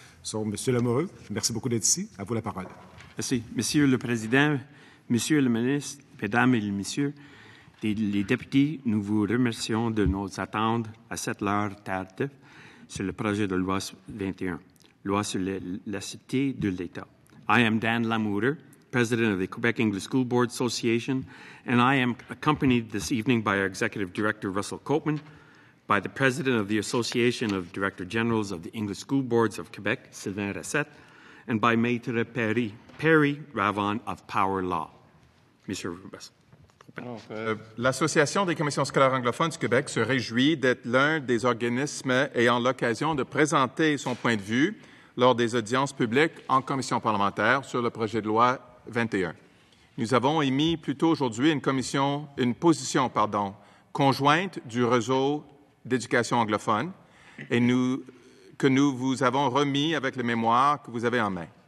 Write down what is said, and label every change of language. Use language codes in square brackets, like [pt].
[fr] Sur M. Lamoureux, merci beaucoup d'être ici. À vous la parole. Merci. Monsieur le Président, Monsieur le Ministre, Mesdames et Messieurs les députés, nous vous remercions de nous attendre à cette heure tardive sur le projet de loi 21. Loi sur la cité de l'État. [en] I am Dan Lamoureux, President of the Quebec English School Board Association, and I am accompanied this evening by our Executive Director, Russell Copeman, by the President of the Association of Director Generals of the English School Boards of Quebec, Sylvain Rasset, and by Maître Perry Ravon of Power Law. [fr] Monsieur Russell. L'Association des commissions scolaires anglophones du Québec se réjouit d'être l'un des organismes ayant l'occasion de présenter son point de vue lors des audiences publiques en commission parlementaire sur le projet de loi 21. Nous avons émis plus tôt aujourd'hui une position conjointe du réseau d'éducation anglophone et que nous vous avons remis avec le mémoire que vous avez en main.